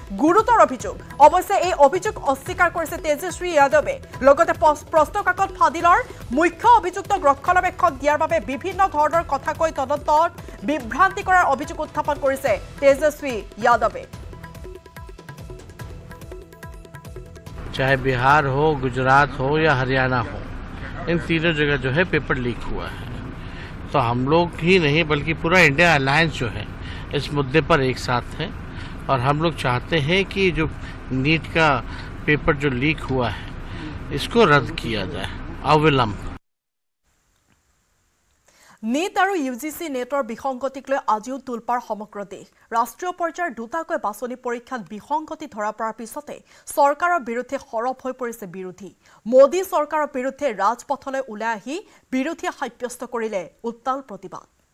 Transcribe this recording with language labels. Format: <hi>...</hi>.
<as>গুৰুতৰ অভিযোগ অৱশ্যে এই অভিযোগ অস্বীকাৰ কৰিছে তেজস্বী যাদৱে লগতে প্ৰশ্নকাকত ফাদিলৰ মুখ্য অভিযুক্ত ৰক্ষণাবেক্ষক দিয়াৰ বাবে বিভিন্ন ধৰণৰ কথা কৈ তদন্তত বিভ্ৰান্তি কৰাৰ অভিযোগ উত্থাপন কৰিছে তেজস্বী যাদৱে</as> <hi>चाहे बिहार हो गुजरात हो या हरियाणा हो इन तीनों जगह जो है पेपर लीक हुआ है तो हम लोग ही नहीं बल्कि पूरा इंडिया अलायंस जो है इस मुद्दे पर एक साथ है और हम लोग चाहते हैं कि जो नीट का पेपर जो लीक हुआ है इसको रद्द किया जाए अविलंब</hi> <as>NEET আৰু UGC NETৰ বিসংগতিক লৈ আজিও তুলপাৰ সমগ্ৰ দেশ ৰাষ্ট্ৰীয় পৰ্যায়ৰ দুটাকৈ বাছনি পৰীক্ষাত বিসংগতি ধৰা পৰাৰ পিছতে চৰকাৰৰ বিৰুদ্ধে হৰপ হৈ পৰিছে বিৰোধী মোদী চৰকাৰৰ বিৰুদ্ধে ৰাজপথলৈ ওলাই আহি বিৰোধী সাব্যস্ত কৰিলে উত্তাল প্ৰতিবাদ</as>